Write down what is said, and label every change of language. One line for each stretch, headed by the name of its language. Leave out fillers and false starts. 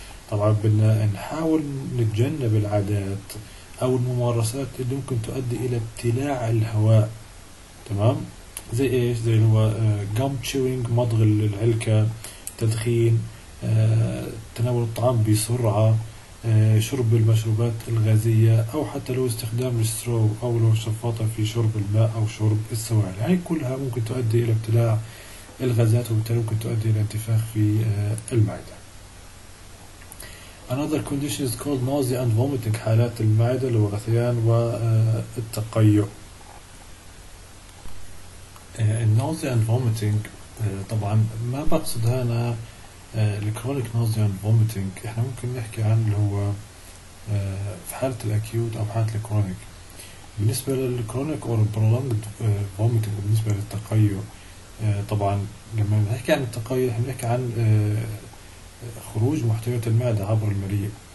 Arabic: طبعا بدنا نحاول نتجنب العادات أو الممارسات اللي ممكن تؤدي إلى ابتلاع الهواء، تمام؟ زي إيش؟ زي اللي هو جام تشوينج، مضغ العلكة، تدخين، تناول الطعام بسرعة، شرب المشروبات الغازية، أو حتى لو استخدام السترو أو لو شفاطة في شرب الماء أو شرب السوائل. هاي كلها ممكن تؤدي إلى ابتلاع الغازات، وبالتالي ممكن تؤدي إلى انتفاخ في المعدة.
English: Another condition is called nausea and vomiting،
Arabic: حالات المعدة اللي هو الغثيان والتقيؤ. Nausea and vomiting طبعا ما بقصد هنا الكرونيك نوزيا فوميتنج، احنا ممكن نحكي عن اللي هو في حالة الأكيوت أو حالة الكرونيك. بالنسبة للكرونيك أو البرولونجد فوميتنج بالنسبة للتقيؤ، طبعا لما نحكي عن التقيؤ احنا بنحكي عن خروج محتويات المعدة عبر المريء.